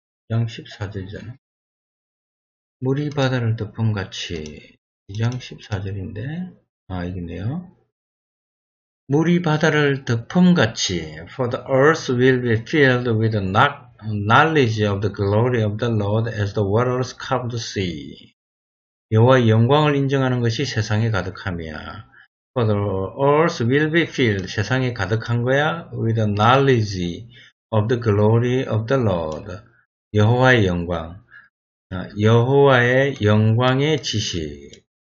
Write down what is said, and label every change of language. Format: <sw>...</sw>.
<ko>2장 14절이잖아. 물이 바다를 덮음 같이 2장 14절인데 아 이겠네요. 물이 바다를 덮음 같이</ko> <en>For the earth will be filled with knowledge of the glory of the Lord as the waters cover the sea.</en> <ko>여호와의 영광을 인정하는 것이 세상에 가득함이야.</ko> <en>For the earth will be filled.</en> <ko>세상에 가득한 거야.</ko> <en>With the knowledge of the glory of the Lord.</en> <ko>여호와의 영광. 여호와의 영광의 지식.</ko>